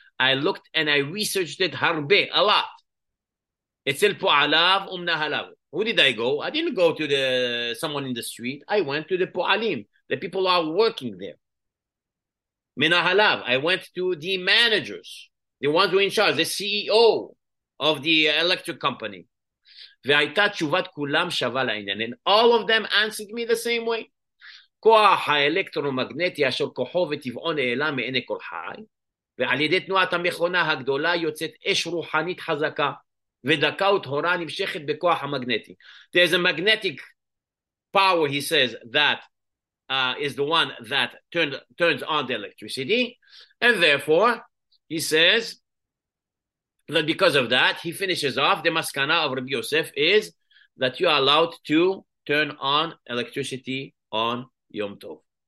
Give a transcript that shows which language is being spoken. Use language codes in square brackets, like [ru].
[en] I looked and I researched it harbi, a lot. [he] Etzel po'alav umnahalav. [en] Who did I go? I didn't go to someone in the street. I went to the po'alim, the people who are working there. Minahalav. I went to the managers, the ones who are in charge, the CEO of the electric company. [he] והייתה תשובת כולם שווה לעניין. [en] And all of them answered me the same way. [he] כוח האלקטרומגנטי אשר כוחו וטבעו נעלם מעיני כל חי, ועל ידי תנועת המכונה הגדולה יוצאת אש רוחנית חזקה, ודקה ותהורה נמשכת בכוח המגנטי. [en] There's a magnetic power, he says, that is the one that turns on the electricity, and therefore, he says, that because of that, he finishes off, the maskana of Rabbi Yosef is that you are allowed to turn on electricity on Yom Tov.